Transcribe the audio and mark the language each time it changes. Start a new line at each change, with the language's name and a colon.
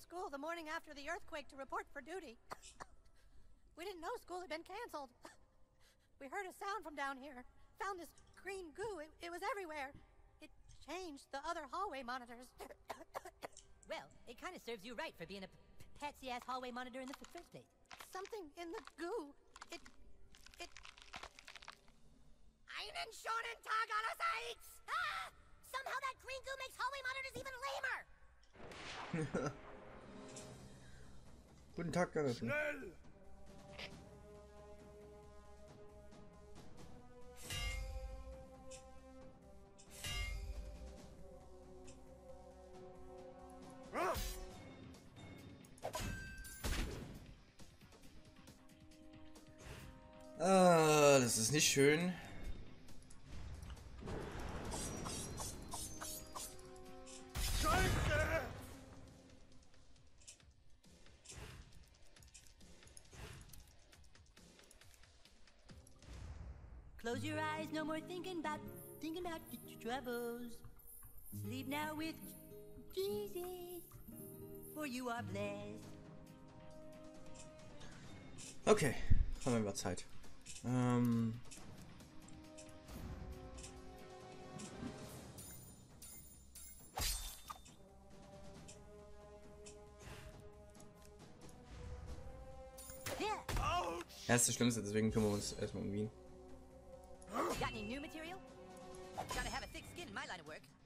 English: The morning after the earthquake to report for duty. We didn't know school had been canceled. We heard a sound from down here. Found this green goo. It was everywhere. It changed the other hallway monitors. Well, it kind of serves you right for being a patsy-ass hallway monitor in the first place. Something in the goo.
German: Einen schönen Tag allerseits!
English: Somehow that green goo makes hallway monitors even lamer!
German: Guten Tag, Garrett. Schnell! Das ist nicht schön.
English: Close your eyes, no more thinking about your troubles. Sleep now with Jesus, for you are blessed.
German: Okay, haben wir über Zeit. Er ist das Schlimmste, deswegen kümmern wir uns erstmal um ihn.
English: Got any new material? Gotta have a thick skin in my line of work.